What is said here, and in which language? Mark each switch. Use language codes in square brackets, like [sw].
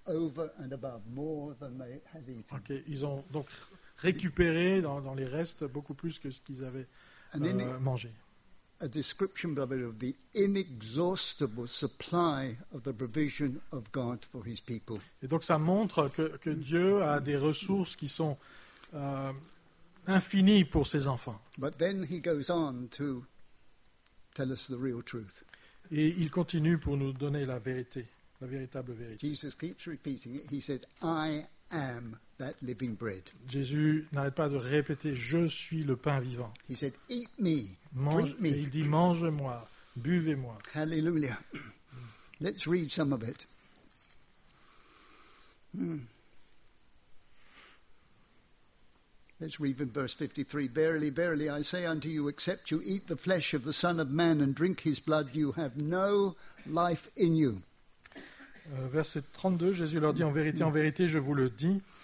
[en] over and above more than they had eaten. [fr] Okay, ils ont donc récupéré dans les restes beaucoup plus que ce qu'ils avaient mangé. [en] A description, beloved, of the inexhaustible supply of the provision of God for His people. [fr] Et donc, ça montre que Dieu a des ressources qui sont infinies pour ses enfants. [en] But then He goes on to tell us the real truth. [fr] Et il continue pour nous donner la vérité, la véritable vérité. [en] Jesus keeps repeating it. He says, "I am that living bread." [fr] Jésus n'arrête pas de répéter, je suis le pain vivant. [en] He said, "Eat me, drink me." [fr] Il dit, mangez-moi, buvez-moi. [en] Hallelujah. Let's read some of it. Let's read in verse 53. "Verily, verily, I say unto you, except you eat the flesh of the Son of Man and drink his blood, you have no life in you." [fr] Verset 32, Jésus leur dit, en vérité, je vous le dis.